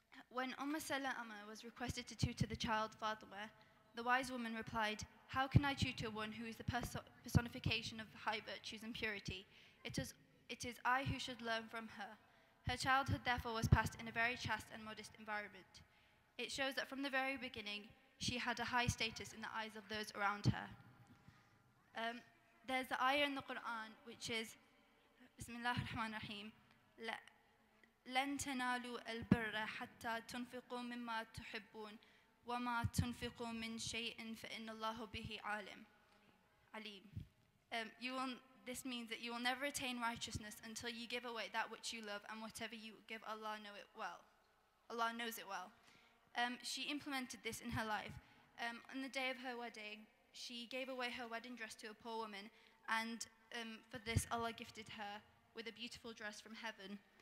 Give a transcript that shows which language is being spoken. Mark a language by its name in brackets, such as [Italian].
[English] When Umm Salama was requested to tutor the child Fatima, the wise woman replied, how can I tutor one who is the personification of high virtues and purity? It is I who should learn from her. Her childhood, therefore, was passed in a very chaste and modest environment. It shows that from the very beginning, she had a high status in the eyes of those around her. There's the ayah in the Quran, which is, Bismillah ar-Rahman ar-Rahim, [Arabic] لَن تَنَالُوا الْبِرَّ حَتَّى تُنْفِقُوا مِمَّا تُحِبُّونَ وَمَا تُنْفِقُوا مِنْ شَيْءٍ فَإِنَّ اللَّهُ بِهِ عَلِيمٌ. [English] This means that you will never attain righteousness until you give away that which you love, and whatever you give, Allah knows it well. She implemented this in her life. On the day of her wedding, she gave away her wedding dress to a poor woman, and for this, Allah gifted her with a beautiful dress from heaven.